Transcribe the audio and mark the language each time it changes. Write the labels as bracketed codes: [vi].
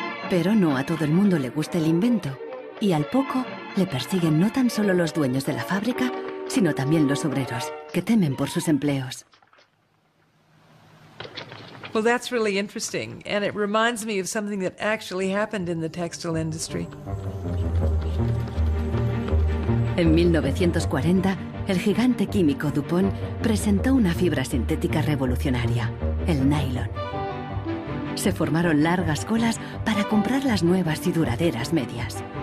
[es] Pero no a todo el mundo le gusta el invento, y al poco le persiguen no tan solo los dueños de la fábrica, sino también los obreros, que temen por sus empleos. [en] Well, that's really interesting, and it reminds me of something that actually happened in the textile industry. [es] En 1940, el gigante químico DuPont presentó una fibra sintética revolucionaria, el nylon. Se formaron largas colas para comprar las nuevas y duraderas medias.